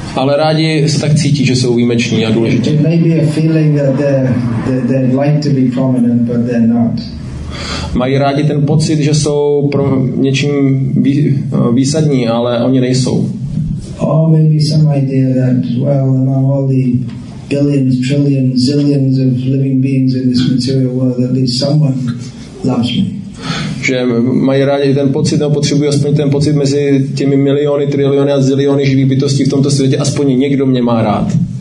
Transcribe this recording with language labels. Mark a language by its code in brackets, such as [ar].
[cs] Ale rádi se tak cítí, že jsou výjimeční a důležití. [en] It may be a feeling that they like to be prominent, but they're not. [cs] Mají rádi ten pocit, že jsou pro něčím výsadní, ale oni nejsou. [en] Or maybe some idea that, well, among all the billions, trillions, zillions of living beings in this material world, at least someone loves me. [cs] Že mají rádi ten pocit, nebo potřebují aspoň ten pocit mezi těmi miliony, triliony a ziliony živých bytostí v tomto světě, aspoň někdo mě má rád.